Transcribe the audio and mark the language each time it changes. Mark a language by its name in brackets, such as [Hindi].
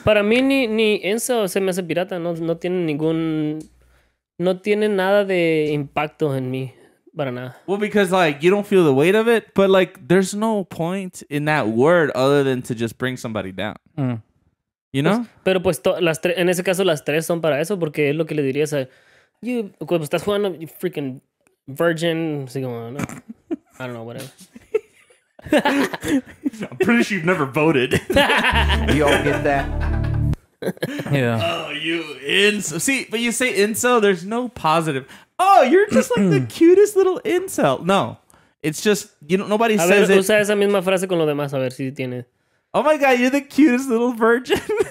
[Spanish] Para mí ni eso se me hace pirata. No tiene ningún, no tiene nada de impacto en mí. Para nada. [English] Well, because like you don't feel the weight of it, but like there's no point in that word other than to just bring somebody down. You know? [Spanish] Pero pues las tres, en ese caso las tres son para eso porque es lo que le dirías a you, cuando estás jugando, [English] you freaking virgin, [Spanish] así como, no. [English] I don't know, whatever. I'm pretty sure you've never voted. You all get that? Yeah. Oh, you incel. See, but you say incel, there's no positive. Oh, you're just like the cutest little incel. No. It's just, you know, nobody [Spanish] a [English] says [Spanish] ver, [English] it. [Spanish] Usa esa misma frase con lo demás, a ver si tiene. [English] Oh my God, you're the cutest little virgin.